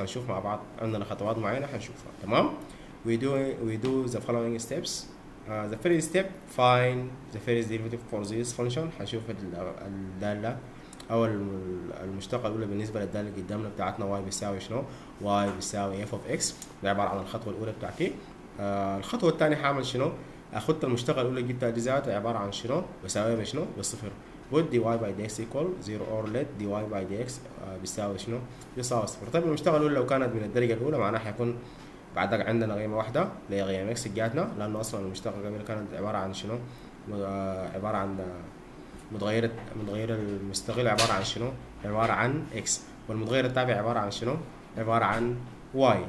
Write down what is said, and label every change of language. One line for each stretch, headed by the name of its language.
Arabic: هنشوف مع بعض، عندنا خطوات معينة هنشوفها. تمام،
English: we do the following steps. The first step, find the first derivative for this function.
Arabic: هنشوف الدالة أو المشتقة الأولى بالنسبة للدالة اللي قدامنا بتاعتنا y بيساوي شنو؟ y بيساوي f of x، ده عبارة عن الخطوة الأولى بتاعتي. الخطوة الثانية هعمل شنو؟ أخدت المشتقة الأولى جبتها دي ذاتها عبارة عن شنو؟ بساويها بشنو؟ بالصفر.
English: put dy by dx equal 0 or let dy by dx
Arabic: بيساوي شنو؟ بيساوي صفر. طيب المشتقة الأولى لو كانت من الدرجة الأولى معناها حيكون بعدك عندنا قيمة واحدة اللي هي قيمة اكس جاتنا، لأنه أصلا المشتقة قبل كانت عبارة عن شنو؟ عبارة عن متغير المستغل عبارة عن شنو؟ عبارة عن اكس، والمتغير التابع عبارة عن شنو؟ عبارة عن واي.